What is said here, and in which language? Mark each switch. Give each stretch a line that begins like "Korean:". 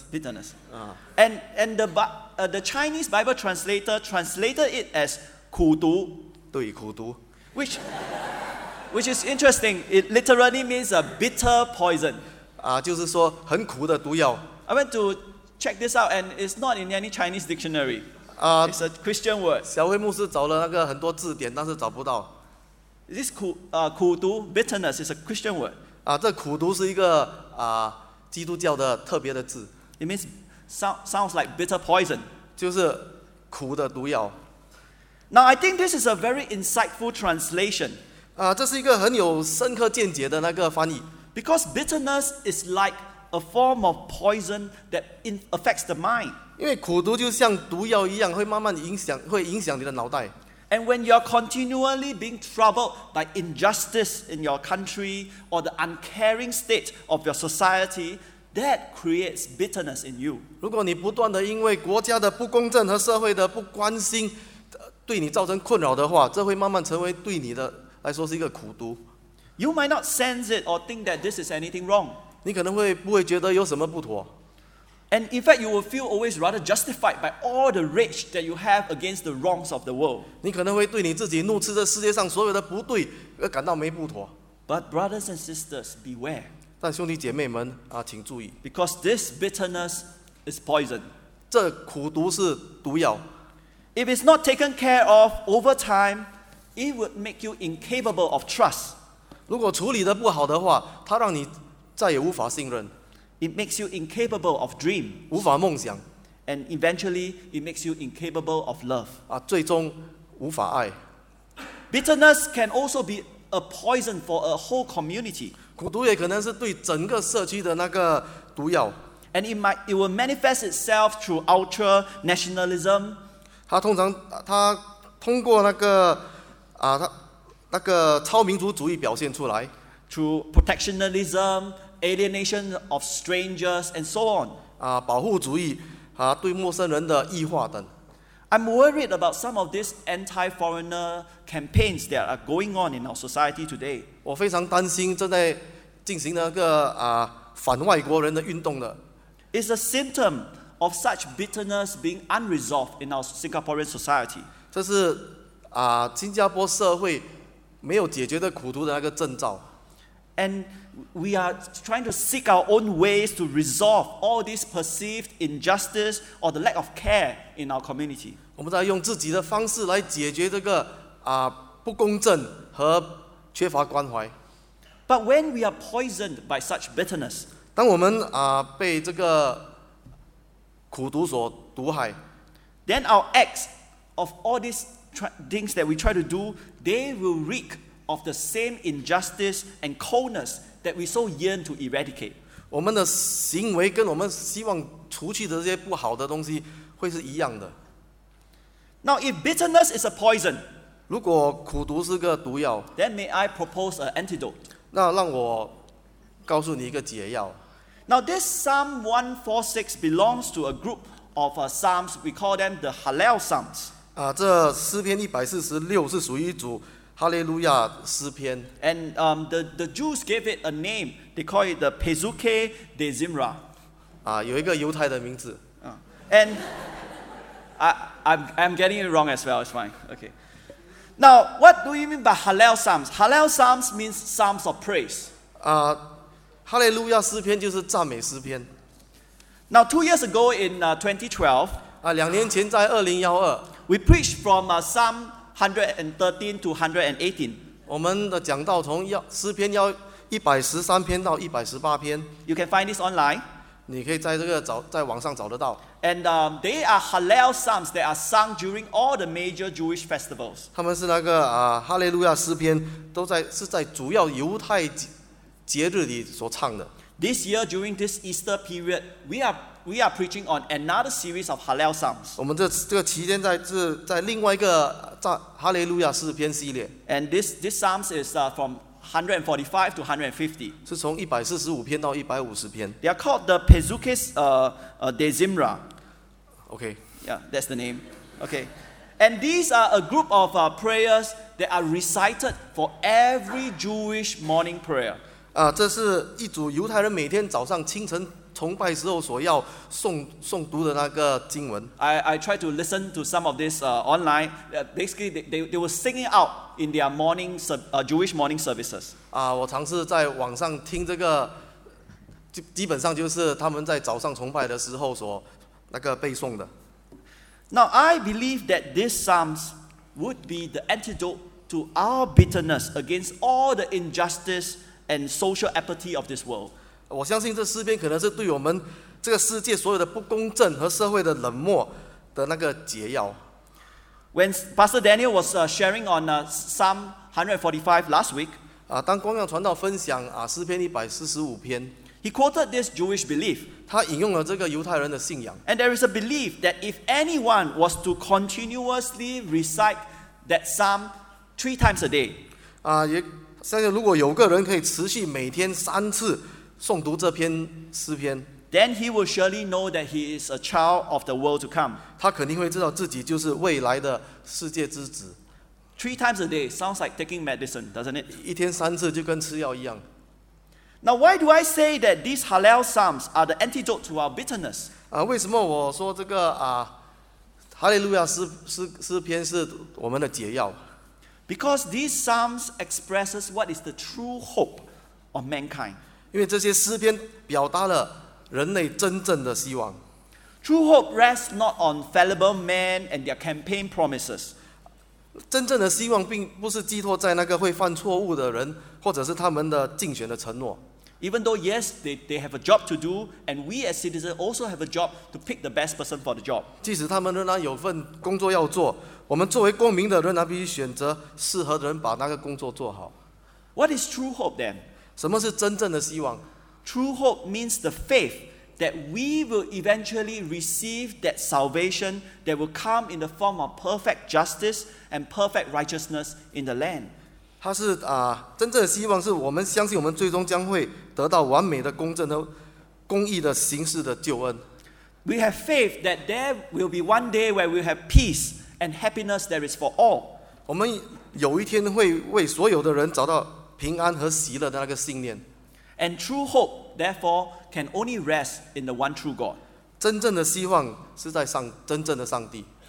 English: Bitterness. And the Chinese Bible translator translated it as 苦毒。
Chinese: 对，苦毒。
English: Which is interesting. It literally means a bitter poison.
Chinese: 就是说很苦的毒药。
English: I went to check this out, and it's not in any Chinese dictionary. It's a Christian word.
Chinese: 小慧牧师找了那个很多字典，但是找不到。
English: This 苦毒 bitterness is a Christian word.
Chinese: 这苦毒是一个基督教的特别的字。
English: It means sounds like bitter poison.
Chinese: 就是苦的毒药。
English: Now I think this is a very insightful translation.
Chinese: 这是一个很有深刻见解的那个翻译。
English: Because bitterness is like. A form of poison that affects the mind.
Chinese: 因为苦毒就像毒药一样，会慢慢影响你的脑袋。
English: And when you're continually being troubled by injustice in your country or the uncaring state of your society, that creates bitterness in you.
Chinese: 如果你不断的因为国家的不公正和社会的不关心，对你造成困扰的话，这会慢慢成为对你的来说是一个苦毒。
English: You might not sense it or think that this is anything wrong.
Chinese: 你可能会不会觉得有什么不妥？
English: And in fact, you will feel always rather justified by all the rage that you have against the wrongs of the world.
Chinese: 你可能会对你自己怒斥这世界上所有的不对而感到没不妥。
English: But brothers and sisters, beware.
Chinese: 但兄弟姐妹们啊，请注意。
English: Because this bitterness is poison.
Chinese: 这苦毒是毒药。
English: If it's not taken care of over time, it would make you incapable of trust.
Chinese: 如果处理得不好的话，它让你再也无法信任。
English: It makes you incapable of dream.
Chinese: 无法梦想。
English: And eventually, it makes you incapable of love.
Chinese: 啊，最终无法爱。
English: Bitterness can also be a poison for a whole community.
Chinese: 苦毒也可能是对整个社区的那个毒药。
English: And it will manifest itself through ultra nationalism.
Chinese: 它通常它通过那个啊，它那个超民族主义表现出来。
English: Through protectionism. Alienation of strangers and so on.
Chinese: 啊，保护主义，啊，对陌生人的异化等。
English: I'm worried about some of these anti-foreigner campaigns that are going on in our society today.
Chinese: 我非常担心正在进行那个啊反外国人的运动的。
English: It's a symptom of such bitterness being unresolved in our Singaporean society.
Chinese: 这是啊新加坡社会没有解决的苦毒的那个征兆。
English: And we are trying to seek our own ways to resolve all this perceived injustice or the lack of care in our community.
Chinese: 我们在用自己的方式来解决这个啊不公正和缺乏关怀。
English: But when we are poisoned by such bitterness,
Chinese: 当我们啊被这个苦毒所毒害
English: ，then our acts of all these things that we try to do, they will wreak. Of the same injustice and coldness that we so yearn to eradicate.
Chinese: 我们的行为跟我们希望除去的这些不好的东西会是一样的。
English: Now, if bitterness is a poison,
Chinese: 如果苦毒是个毒药
English: then may I propose an antidote?
Chinese: 那让我告诉你一个解药。
English: Now, this Psalm 146 belongs to a group of psalms. We call them the Hallel Psalms.
Chinese: 啊，这诗篇一百四十六是属于一组。哈利路亚诗篇
English: and the Jews gave it a name. They call it the Pesuke de Zimra.
Chinese: 啊，有一个犹太的名字。
English: And I'm getting it wrong as well. It's fine. Okay. Now, what do you mean by Hallel Psalms? Hallel Psalms means psalms of praise.
Chinese: 啊，哈利路亚诗篇就是赞美诗篇。
English: Now, 2 years ago in 2012,
Chinese: 啊，两年前在2012,
English: we preached from Psalm 113 to 118.
Chinese: 我们的讲道从诗篇要113篇到118篇。
English: You can find this online.
Chinese: 你可以在这个找在网上找得到。
English: And they are Hallel Psalms that are sung during all the major Jewish festivals.
Chinese: 他们是那个啊哈利路亚诗篇都在是在主要犹太节日里所唱的。
English: This year during this Easter period, we are preaching on another series of Hallel Psalms.
Chinese: 我们这个期间在另外一个赞哈利路亚诗篇系列。
English: And this Psalms is from 145 to 150.
Chinese: 是从145篇到150篇。
English: They are called the Pesukes de Zimra. Okay. Yeah, that's the name. Okay. And these are a group of prayers that are recited for every Jewish morning prayer.
Chinese: 啊，这是一组犹太人每天早上清晨。崇拜时候所要诵读的那个经文。
English: I try to listen to some of this online. Basically, they were singing out in their morning Jewish morning services.
Chinese: 啊，我尝试在网上听这个，基本上就是他们在早上崇拜的时候所那个背诵的。
English: Now I believe that these psalms would be the antidote to our bitterness against all the injustice and social apathy of this world.
Chinese: 我相信这诗篇可能是对我们这个世界所有的不公正和社会的冷漠的那个解药。
English: When Pastor Daniel was sharing on Psalm 145 last week,
Chinese: 啊，当光耀传道分享啊诗篇一百四十五篇
English: ，He quoted this Jewish belief.
Chinese: 他引用了这个犹太人的信仰。
English: And there is a belief that if anyone was to continuously recite that Psalm 3 times a day,
Chinese: 啊，也相信如果有个人可以持续每天三次。诵读这篇诗篇
English: then he will surely know that he is a child of the world to come.
Chinese: 他肯定会知道自己就是未来的世界之子。
English: Three times a day sounds like taking medicine, doesn't it?
Chinese: 一天三次就跟吃药一样。
English: Now, why do I say that these Hallel Psalms are the antidote to our bitterness?
Chinese: 为什么我说这个哈利路亚诗篇是我们的解药？
English: Because these Psalms expresses what is the true hope of mankind.
Chinese: 因为这些诗篇表达了人类真正的希望。
English: True hope rests not on fallible men and their campaign promises.
Chinese: 真正的希望并不是寄托在那个会犯错误的人或者是他们的竞选的承诺。
English: Even though, yes, they have a job to do, and we as citizens also have a job to pick the best person for the job.
Chinese: 即使他们仍然有份工作要做，我们作为公民的仍然必须选择适合的人把那个工作做好。
English: What is true hope then?
Chinese: 什么是真正的希望？
English: True hope means the faith that we will eventually receive that salvation that will come in the form of perfect justice and perfect righteousness in the land.
Chinese: 它是真正的希望是我们相信我们最终将会得到完美的公正的公义的形式的救恩。
English: We have faith that there will be one day where we have peace and happiness that is for all.
Chinese: 我们有一天会为所有的人找到平安和喜乐的那个信念。
English: And true hope, therefore, can only rest in the one true God.
Chinese: 真正的希望是在上真正的上帝。